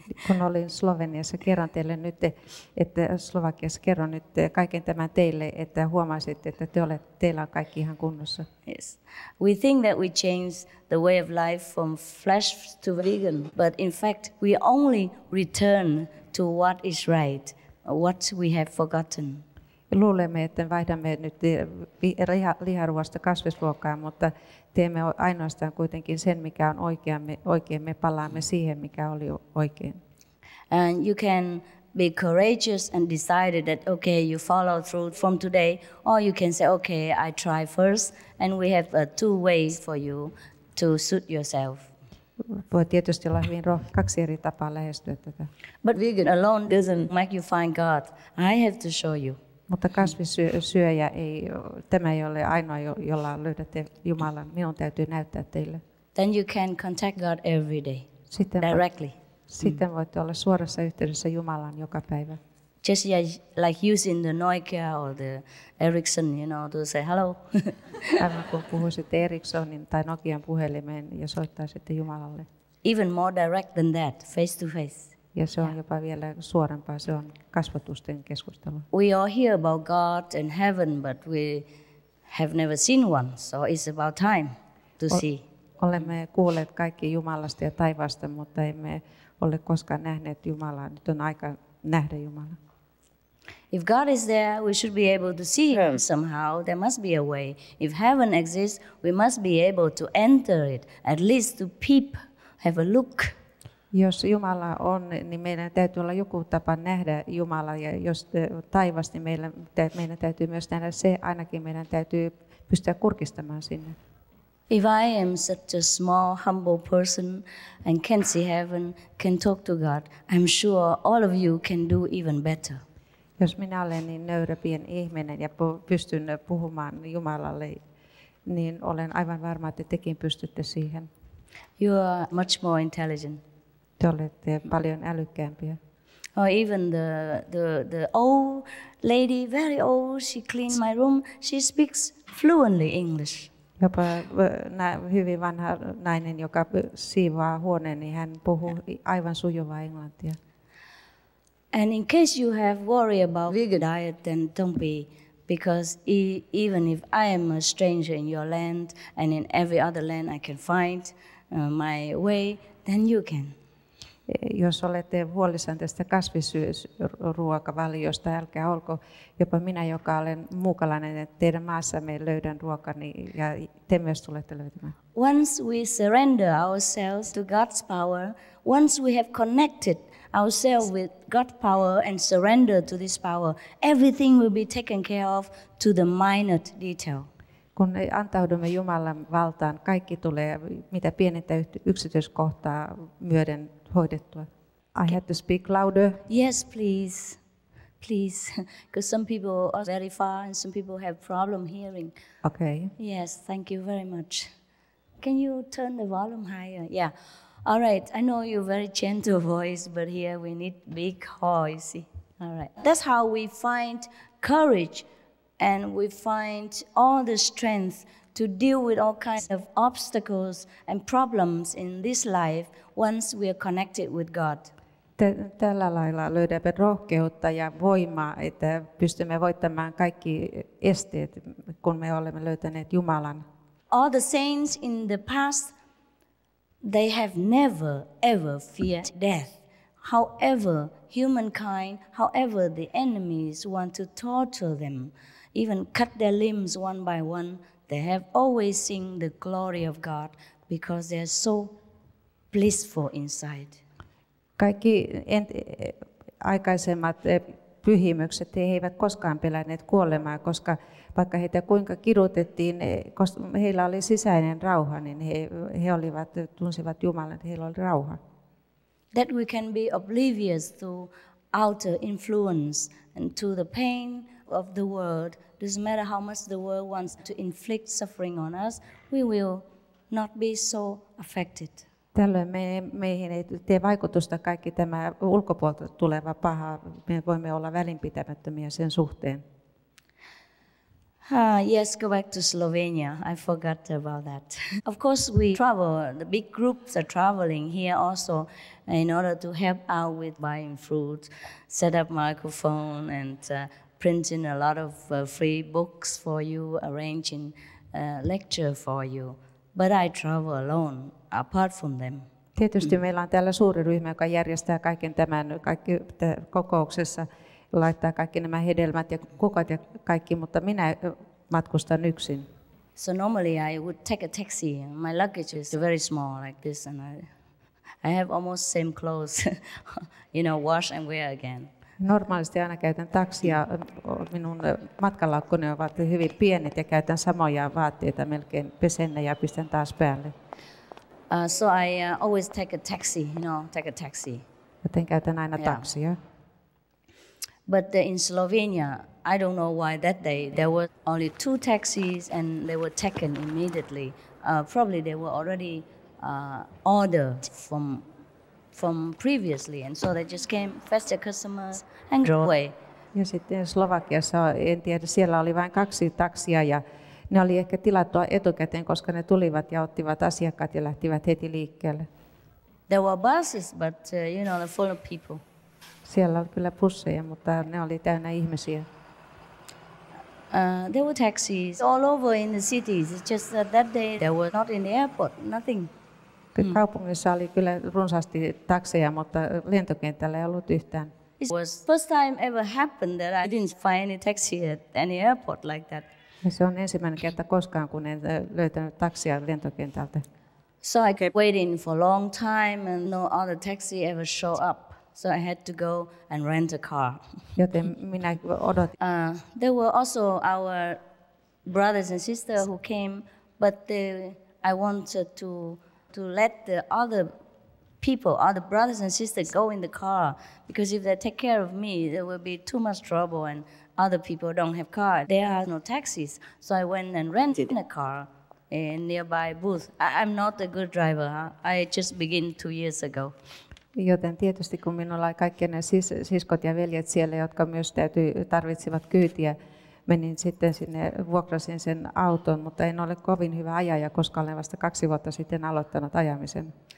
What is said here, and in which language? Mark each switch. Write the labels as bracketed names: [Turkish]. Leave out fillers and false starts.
[Finnish] Kun olin Sloveniassa, kerron teille nyt, että Slovakiassa kerron nyt kaiken tämän teille, että huomasitte, että teillä on kaikki ihan kunnossa. [English] Yes. We think that we change the way of life from flesh to vegan, but in fact we only return to what is right, what we have forgotten. [Finnish] Luulemme, että vaihdamme nyt liharuoasta kasvisruokaan, mutta teemme ainoastaan kuitenkin sen, mikä on oikein. Me palaamme siihen, mikä oli oikein. [English] And you can be courageous and decide that okay, you follow through from today, or you can say okay, I try first, and we have two ways for you to suit yourself. [Finnish] Voi tietysti olla hyvin kaksi eri tapaa lähestyä tätä. [English] But vegan alone doesn't make you find God. I have to show you. [Finnish] Mutta kasvissyöjä ei, tämä ei ole ainoa, jolla löydätte Jumalan. Minun täytyy näyttää teille. [English] Then you can contact God every day, [Finnish] sitten [English] directly. [Finnish] Sitten voitte olla suorassa yhteydessä Jumalan joka päivä. [English] Just like using the Nokia or the Ericsson, you know, to say hello. [Finnish] Aivan kuin puhuisitte Ericssonin tai Nokian puhelimeen ja soittaisitte Jumalalle. [English] Even more direct than that, face to face. [Finnish] Ja se on jopa vielä suorempaa, se on kasvotusten keskustelu. [English] We all hear about God and heaven, but we have never seen one, so it's about time to see. [Finnish] Olemme kuulleet kaikki Jumalasta ja taivaasta, mutta emme ole koskaan nähneet Jumalaa. Nyt on aika nähdä Jumala. [English] If God is there, we should be able to see him somehow. There must be a way. If heaven exists, we must be able to enter it, at least to peep, have a look. [Finnish] Jos Jumala on, niin meidän täytyy olla joku tapa nähdä Jumala, ja jos taivas, niin meidän täytyy myös nähdä se, ainakin meidän täytyy pystyä kurkistamaan sinne. [English] If I am such a small, humble person and can see heaven, can talk to God, I'm sure all of you can do even better. [Finnish] Jos minä olen niin nöyrä pieni ihminen ja pystyn puhumaan Jumalalle, niin olen aivan varma, että tekin pystytte siihen. [English] You are much more intelligent. [Finnish] Te olette paljon älykkäämpiä. [English] Or even the old lady, very old, she cleaned my room, she speaks fluently English. [Finnish] Jopa hyvin vanha nainen, joka siivaa huoneen, niin hän puhuu aivan sujuvaa englantia. [English] And in case you have worry about vegan diet, then don't be. Because even if I am a stranger in your land, and in every other land I can find my way, then you can. [Finnish] Jos olette huolissaan tästä kasvisruokavaliosta, älkää olko, jopa minä, joka olen muukalainen, että teidän maassamme löydän ruokani ja te myös tulette löytämään. [English] Once we surrender ourselves to God's power, once we have connected ourselves with God power and surrender to this power, everything will be taken care of to the minute detail. [Finnish] Kun antaudumme Jumalan valtaan, kaikki tulee mitä pienintä yksityiskohtaa myöden hoidettua. [English] I have to speak louder. Yes, please. Please, because some people are very far and some people have problem hearing. Okay. Yes, thank you very much. Can you turn the volume higher? Yeah. All right, I know you very gentle voice, but here we need big voice. All right. That's how we find courage and we find all the strength to deal with all kinds of obstacles and problems in this life once we are connected with God. [Finnish] Tällä lailla löydämme rohkeutta ja voimaa, että pystymme voittamaan kaikki esteet, kun me olemme löytäneet Jumalan. [English] All the saints in the past, they have never ever feared death. However, humankind, however the enemies want to torture them, even cut their limbs one by one, they have always seen the glory of God because they are so blissful inside. [Finnish] Kaikki aikaisemmat pyhimykset, he eivät koskaan pelänneet kuolemaa, koska vaikka heitä kuinka kidutettiin, heillä oli sisäinen rauha, niin he olivat, tunsivat Jumalan, että heillä oli rauha. [English] That we can be oblivious to outer influence and to the pain of the world. Doesn't matter how much the world wants to inflict suffering on us, we will not be so affected. [Finnish] Tällöin meihin ei tee vaikutusta kaikki tämä ulkopuolelta tuleva paha. Me voimme olla välinpitämättömiä sen suhteen. [English] Yes, go back to Slovenia. I forgot about that. Of course, we travel. The big groups are traveling here also in order to help out with buying food, set up microphone and printing a lot of free books for you, arranging lecture for you. But I travel alone. Apart from them. [Finnish] Tietysti meillä on täällä suuri ryhmä, joka järjestää kaiken tämän, kaikki kokouksessa laittaa kaikki nämä hedelmät ja kukat ja kaikki, mutta minä matkustan yksin. [English] So normally I would take a taxi. My luggage is very small like this and I have almost same clothes, you know, wash and wear again. [Finnish] Normaalisti aina käytän taksia. Minun matkalaukkoni ovat hyvin pienet ja käytän samoja vaatteita melkein pesen ja pistän taas päälle. [English] So I always take a taxi, you know, take a taxi. [Finnish] Joten käytän aina taksia. [English] Yeah. But in Slovenia, I don't know why that day, there were only two taxis and they were taken immediately. Probably they were already ordered from previously and so they just came faster customers and go away. [Finnish] Ja sitten Slovakiassa, en tiedä, siellä oli vain kaksi taksia ja ne oli ehkä tilattua etukäteen, koska ne tulivat ja ottivat asiakkaat ja lähtivät heti liikkeelle. [English] There were buses, but you know, they're full of people. [Finnish] Siellä oli kyllä busseja, mutta ne oli täynnä ihmisiä. [English] There were taxis all over in the cities. It's just that day they were not in the airport, nothing. [Finnish] Kaupungissa oli kyllä runsaasti takseja, mutta lentokentällä ei ollut yhtään. [English] It was first time ever happened that I didn't find any taxi at any airport like that. [Finnish] Ja se on ensimmäinen kerta koskaan, kun en löytänyt taksia lentokentältä. [English] So I kept waiting for a long time and no other taxi ever show up. So I had to go and rent a car. [Finnish] Joten minä odotin. [English] There were also our brothers and sisters who came, but I wanted to let the other people, other brothers and sisters go in the car. Because if they take care of me, there will be too much trouble and other people don't have cars. There are no taxis. So I went and rented a car in nearby booth. I'm not a good driver. Huh? I just began 2 years ago. [Finnish] Joten tietysti kun minulla oli kaikki ne siskot ja veljet siellä, jotka myös tarvitsivat kyytiä, menin sitten sinne, vuokrasin sen auton, mutta en ole kovin hyvä ajaja, koska olen vasta 2 vuotta sitten aloittanut ajamisen.